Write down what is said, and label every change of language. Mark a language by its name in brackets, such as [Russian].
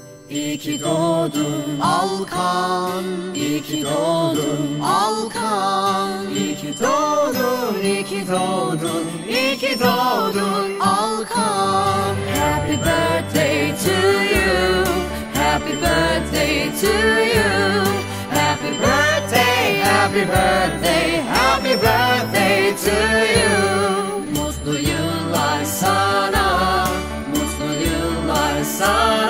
[Turkish] İyi ki doğdun Alkan, İyi ki doğdun Alkan, İyi ki doğdun, İyi ki doğdun, İyi ki doğdun Alkan. [English] Happy birthday to you, happy birthday to you, happy birthday, happy birthday, happy birthday to you. [Turkish] Mutlu yıllar sana, mutlu yıllar sana.